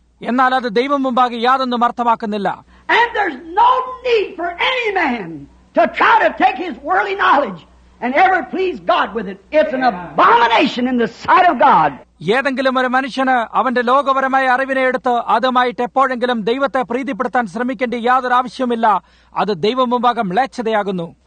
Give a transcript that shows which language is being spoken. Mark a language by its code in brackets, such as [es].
[ml] എന്നാൽ അത് ദൈവം മുമ്പാകെ യാതൊന്നും അർത്ഥമാക്കുന്നില്ല. [en] And there's no need for any man to try to take his worldly knowledge and ever please God with it. It's an abomination in the sight of God. [ml] ഏതെങ്കിലും ഒരു മനുഷ്യന് അവന്റെ ലോകപരമായ അറിവിനെ എടുത്ത് അതുമായിട്ട് എപ്പോഴെങ്കിലും ദൈവത്തെ പ്രീതിപ്പെടുത്താൻ ശ്രമിക്കേണ്ട യാതൊരു ആവശ്യവുമില്ല. അത് ദൈവം മുമ്പാകെ മ്ലേച്ഛതയാകുന്നു.